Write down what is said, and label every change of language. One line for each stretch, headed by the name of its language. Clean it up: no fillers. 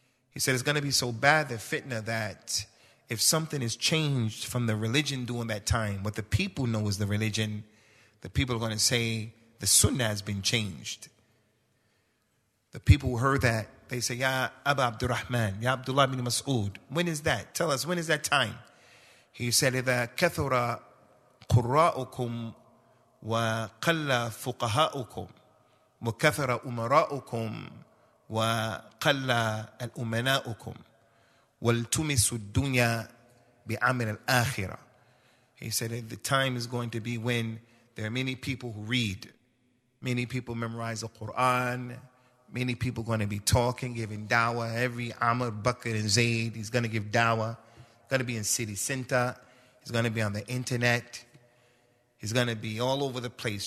English: He said it's going to be so bad, the fitna, that if something is changed from the religion during that time, what the people know is the religion, the people are going to say the sunnah has been changed. The people who heard that, they say, Ya Abu Abdurrahman, Ya Abdullah ibn Mas'ud, when is that? Tell us, when is that time? He said,
Arabic: إذا كثر قراءكم وقل فقهاءكم وكثر أمراءكم وقل الأمناءكم والتمس الدنيا بعمل الآخرة.
English: He said, the time is going to be when there are many people who read, many people memorize the Quran, many people going to be talking, giving dawah. Every Amr, Bakr, and Zaid, he's going to give dawah. Going to be in city center. He's going to be on the internet. He's going to be all over the place.